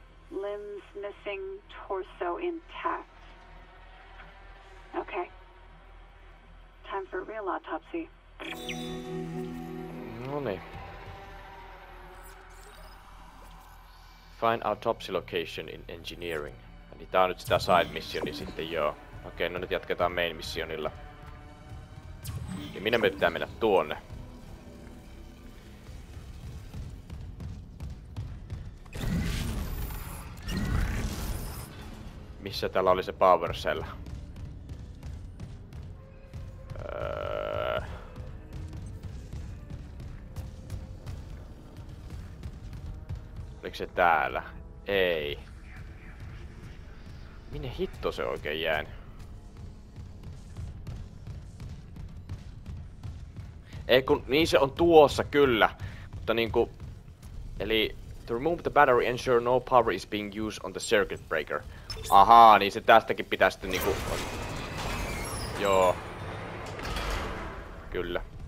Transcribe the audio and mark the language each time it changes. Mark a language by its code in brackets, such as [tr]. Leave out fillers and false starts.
[en] Limbs missing, torso intact. Okay. Time for a real autopsy. [fi] Noni. [en] Find autopsy location in engineering. [fi] Eli tää on nyt sitä side missioni sitten, joo. Okei, no nyt jatketaan main missionilla. Niin minne me pitää mennä tuonne? Missä täällä oli se power cell? Oliko se täällä? Ei. Minne hitto se oikein jää? Ei kun, niin se on tuossa, kyllä. Mutta niinku... Eli... [en] To remove the battery, ensure no power is being used on the circuit breaker. [fi] Ahaa, niin se tästäkin pitää sitten niinku... Joo. Kyllä.